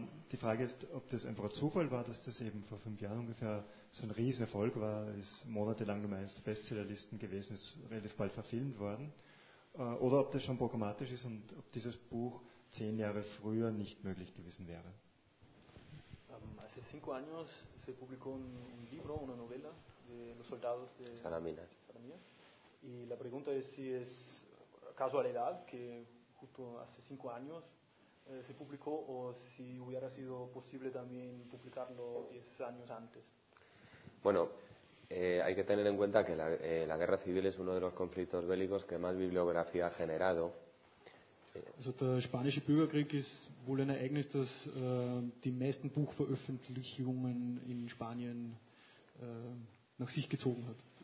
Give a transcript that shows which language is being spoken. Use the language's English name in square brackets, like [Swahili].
[German] Die Frage ist, ob das einfach ein Zufall war, dass das eben vor 5 Jahren ungefähr so ein Riesenerfolg war, ist monatelang Nummer 1 der Bestsellerlisten gewesen, ist relativ bald verfilmt worden, oder ob das schon programmatisch ist und ob dieses Buch 10 Jahre früher nicht möglich gewesen wäre. [Spanish] Hace 5 años se publicó un libro, una novela de los soldados de Salamina. Y la pregunta es si es casualidad que justo hace 5 años se publicó o si hubiera sido posible también publicarlo 10 años antes. Bueno, hay que tener en cuenta que la guerra civil es uno de los conflictos bélicos que más bibliografía ha generado. [German] Also der spanische Bürgerkrieg ist wohl ein Ereignis, das die meisten Buchveröffentlichungen in Spanien nach sich gezogen hat.